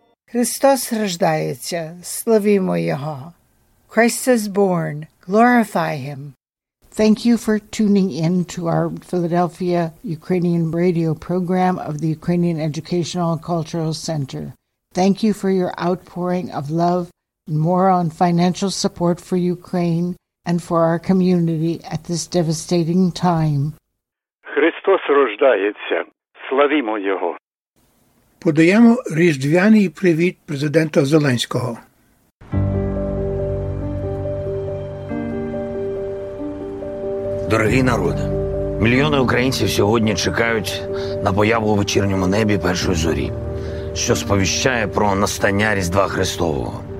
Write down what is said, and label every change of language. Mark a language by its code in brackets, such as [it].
[uk] Христос рождається, славімо Його. [en] Christ is born, glorify Him. Thank you for tuning in to our Philadelphia Ukrainian radio program of the Ukrainian Educational and Cultural Center. Thank you for your outpouring of love and more on financial support for Ukraine and for our community at this devastating time. [uk] Христос рождається, славімо Його. Подаємо різдвяний привіт президента Зеленського. Дорогий народе, мільйони українців сьогодні чекають на появу у вечірньому небі першої зорі, що сповіщає про настання Різдва Христового.